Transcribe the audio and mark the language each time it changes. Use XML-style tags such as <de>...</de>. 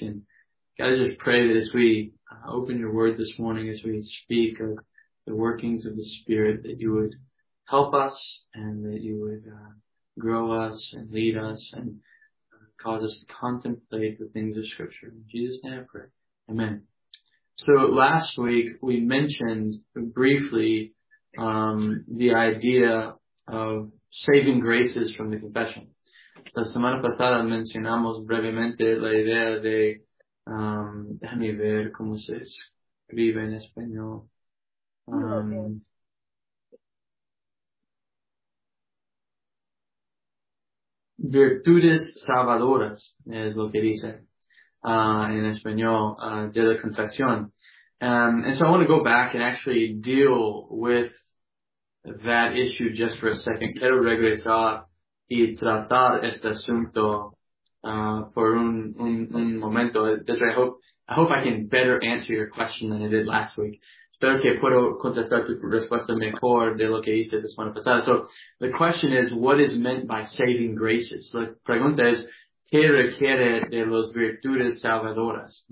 <en>And God, I just pray that as we open your word this morning, as we speak of the workings of the Spirit, that you would help us and that you would grow us and lead us and cause us to contemplate the things of Scripture. In Jesus' name I pray. Amen. So last week we mentioned briefly the idea of saving graces from the confession.</en> <es>La semana pasada mencionamos brevemente la idea de déjame ver cómo se escribe en español. Virtudes salvadoras es lo que dice en español de la confesión.</es> <en>And so I want to go back and actually deal with that issue just for a second.</en> <es>Quiero regresar y tratar este asunto por un momento.</es> <en>I hope I can better answer your question than I did last week.</en> <es>Espero que puedo contestar tu respuesta mejor de lo que hice la semana pasada.</es> <en>So the question is, what is meant by saving graces?</en> <es>La pregunta es, ¿qué requiere de las virtudes salvadoras?</es>